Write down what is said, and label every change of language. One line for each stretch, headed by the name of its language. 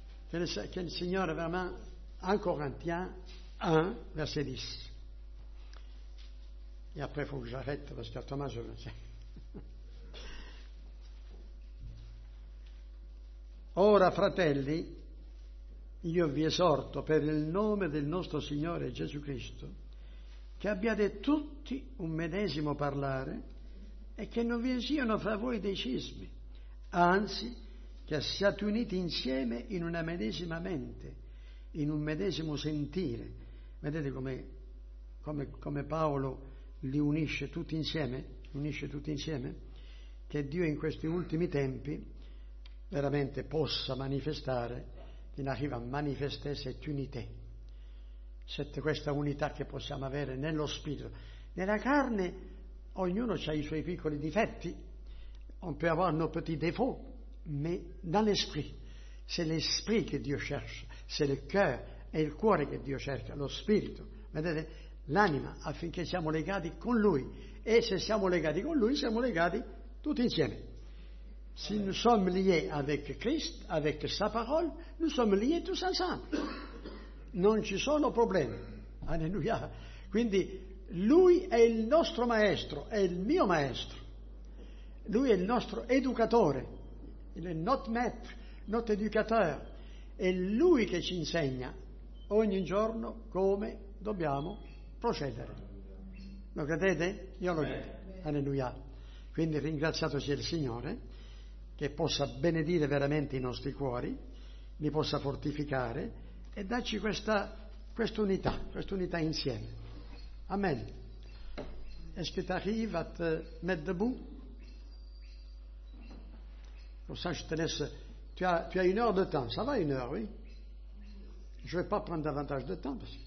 Italian: Che il Signore veramente,
French: Corinthiens 1:10, e après faut que j'arrête parce que Thomas je le sais.
Italian: Ora fratelli, io vi esorto per il nome del nostro Signore Gesù Cristo che abbiate tutti un medesimo parlare e che non vi siano fra voi dei cismi, anzi che siate uniti insieme in una medesima mente, in un medesimo sentire. Vedete come Paolo li unisce tutti insieme, che Dio in questi ultimi tempi veramente possa manifestare, in arriva a manifestare
French: cette unité,
Italian: questa unità che possiamo avere nello spirito. Nella carne ognuno ha i suoi piccoli difetti,
French: on peut avoir nos petits défauts, mais dans l'esprit, c'est l'esprit
Italian: che Dio cerca,
French: c'est le cœur,
Italian: è il cuore che Dio cerca, lo spirito, vedete, l'anima, affinché siamo legati con Lui, e se siamo legati con Lui siamo legati tutti insieme.
French: Si nous sommes liés avec Christ, avec sa parole, nous sommes liés tous ensemble.
Italian: Non ci sono problemi. Alleluia. Quindi Lui è il nostro maestro, è il mio maestro. Lui è il nostro educatore.
French: Il notre maître, notre éducateur.
Italian: È Lui che ci insegna ogni giorno come dobbiamo procedere. Lo credete? Io lo credo. Alleluia. Quindi ringraziato sia il Signore, che possa benedire veramente i nostri cuori, li possa fortificare e darci questa unità insieme. Amen.
French: Est-ce que t'arrives à te mettre debout? Pour ça, je te laisse. Tu as une heure de temps. Ça va, une heure, oui? Je vais pas prendre davantage de temps.